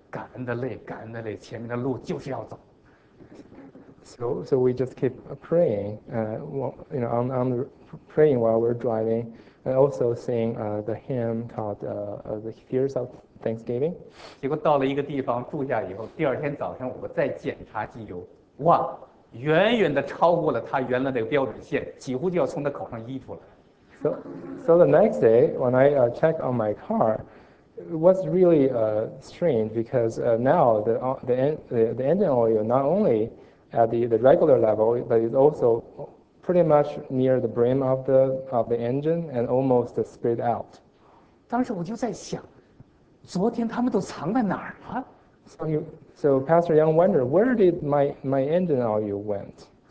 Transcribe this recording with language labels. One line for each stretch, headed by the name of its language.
Chinese: 所以当时呢，我和太太我们俩一边呢，在车上祷告，一边唱着诗歌，感恩的泪，感恩的泪，前面的路就是要走。
English: So we just keep praying, praying while we're driving, and also sing the hymn called "The Tears of Thanksgiving."
Chinese: 结果到了一个地方住下以后，第二天早上我再检查机油，哇，远远的超过了他原来那个标准线，几乎就要从他口上溢出来。
English: So the next day, when I check on my car, it was really strange because now the engine oil not only at the regular level, but it's also pretty much near the brim of the engine and almost spread out.
Chinese: 当时我就在想，昨天他们都藏在哪儿了？
English: So Pastor Yang wondered where did my engine oil went.